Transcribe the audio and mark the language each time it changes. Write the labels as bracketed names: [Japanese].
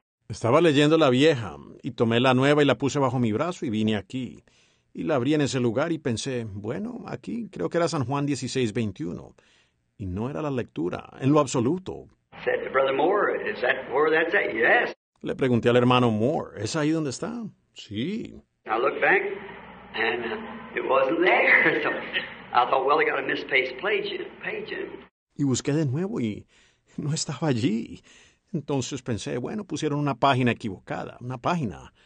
[Spanish] Estaba leyendo la vieja, y tomé la nueva y la puse bajo mi brazo y vine aquí. Y la abrí en ese lugar y pensé, bueno, aquí creo que era San Juan 16:21, y no era la lectura, en lo absoluto. [English] Said to Brother Moore, is that where that's at? Yes. [Spanish] Le pregunté al hermano Moore, ¿es ahí donde está? Sí. [English] I looked back, and it wasn't there. So I thought, well, they got a misplaced page in. [Spanish] Y busqué de nuevo, y no estaba allí. Entonces pensé, bueno, pusieron una página equivocada, una página.